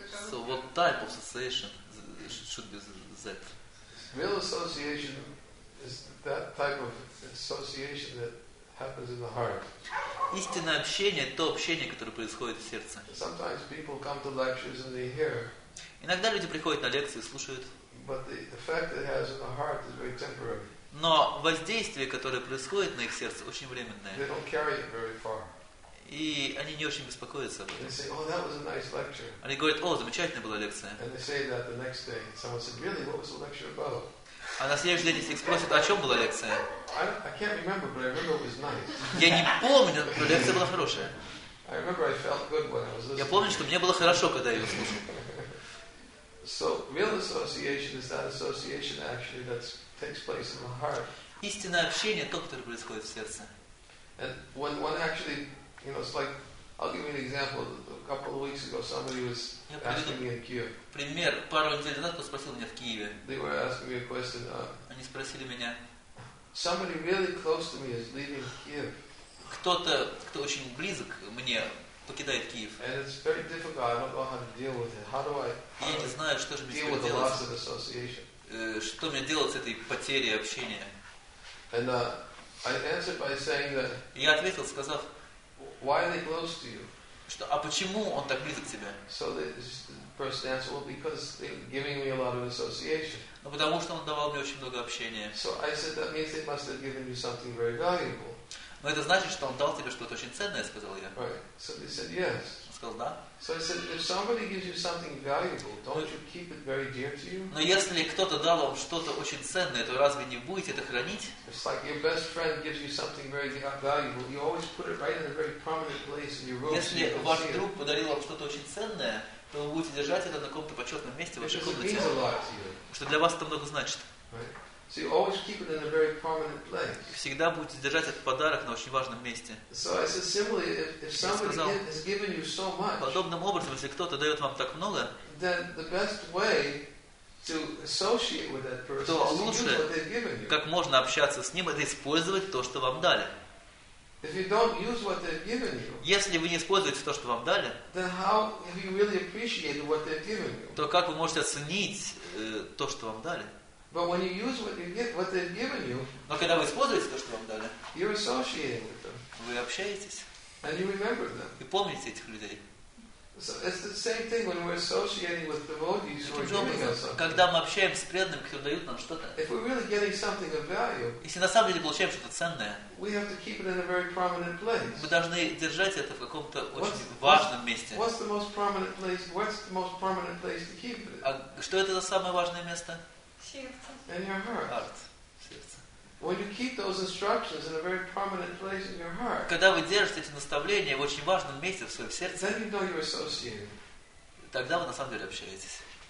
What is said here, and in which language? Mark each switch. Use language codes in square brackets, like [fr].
[en] So what type of association should be that? Real association is that type of association that happens in the heart. [ru] Истинное общение – то общение, которое происходит в сердце. [en] Sometimes people come to lectures and they hear. [ru] Иногда люди приходят на лекции и слушают. [en] But the effect it has in the heart is very temporary. [ru] Но воздействие, которое происходит на их сердце, очень временное. [en] They don't carry it very far. [ru] И они не очень беспокоятся об этом. [en] They say, "Oh, that was a nice lecture." [ru] Они говорят: «О, замечательная была лекция». [en] And they say that the next day, someone said, "Really, what was the lecture about?" [ru] А на следующий день, если их спросят, о чем была лекция? [en] I can't remember, but I remember it was nice. [ru] Я не помню, но лекция была хорошая. [en] I remember I felt good when I was listening. [ru] Я помню, что мне было хорошо, когда я ее слушал. [en] So, real association is that association actually that takes place in the heart. [ru] Истинное общение – то, которое происходит в сердце. [en] And when one actually, you know, it's like, I'll give you an example. A couple of weeks ago, somebody was asking me in Kyiv. [ru] Пример. Пару недель назад кто спросил меня в Киеве. [en] They were asking me a question. [ru] Они спросили меня. [en] Somebody really close to me is leaving Kyiv. [ru] Кто-то, кто очень близок мне, покидает Киев. [en] And it's very difficult. I don't know how to deal with it. How do I? [ru] Я не знаю, что же мне теперь делать. [en] Deal with the loss of association. [ru] Что мне делать с этой потерей общения? [en] And I answered by saying that. [ru] Я ответил, сказав. [en] Why are they close to you? [ru] Что, а почему он так близок к тебе? [en] So the person answered, well, because they're giving me a lot of association. [ru] Ну потому что он давал мне очень много общения. [en] So I said that means they must have given you something very valuable. [ru] Но это значит, что он дал тебе что-то очень ценное, сказал я. [en] Right. So they said yes. [ru] Он сказал да. [en] So I said, if somebody gives you something valuable, don't you keep it very dear to you? [ru] Но если кто-то дал вам что-то очень ценное, то разве не будете это хранить? [en] It's like your best friend gives you something very valuable. You always put it right in a very prominent place in your room. [ru] Если ваш друг подарил вам что-то очень ценное, то вы будете держать это на каком-то почетном месте в вашей комнате. Что для вас это много значит. [en] So you always keep it in a very prominent place. [ru] Всегда будете держать этот подарок на очень важном месте. [en] So I said similarly, if somebody has given you so much, [ru] подобным образом, если кто-то дает вам так много, [en] then the best way to associate with that person is to use what they've given you. [ru] Как можно общаться с ним, это использовать то, что вам дали. [en] If you don't use what they've given you, [ru] если вы не используете то, что вам дали, [en] then how have you really appreciated what they've given you? [ru] То как вы можете оценить то, что вам дали? [en] But when you use what they've given you, [ru] но когда вы используете то, что вам дали, [en] you're associating with them. [ru] Вы общаетесь. [en] And you remember them. [ru] И помните этих людей. [en] So it's the same thing when we're associating with devotees who are giving us something. [ru] Когда мы общаемся с преданными, которые дают нам что-то. [en] If we're really getting something of value. [ru] Если на самом деле получаем что-то ценное. [en] We have to keep it in a very prominent place. [ru] Мы должны держать это в каком-то очень важном месте. [en] What's the most prominent place? What's the most prominent place to keep it? [ru] А что это за самое важное место? Сердце. [en] In your heart. Heart. When you keep those instructions in a very prominent place in your heart, [ru] когда вы держите эти наставления в очень важном месте в своем сердце, [en] then you know you're associated. [ru] Тогда вы на самом деле общаетесь.